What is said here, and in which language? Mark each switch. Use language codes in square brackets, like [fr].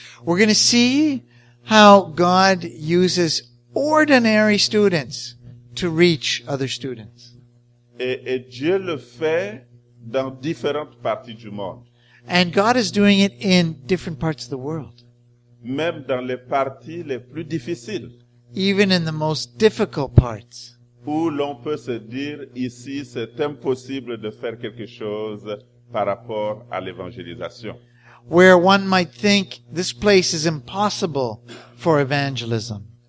[en] We're going to see how God uses ordinary students to reach other students. [fr] Et Dieu le fait dans différentes parties du monde. [en] And God is doing it in different parts of the world. [fr] Même dans les parties les plus difficiles. [en] Even in the most difficult parts. [fr] Où l'on peut se dire ici c'est impossible de faire quelque chose par rapport à l'évangélisation. [en] Where one might think this place is impossible for evangelism.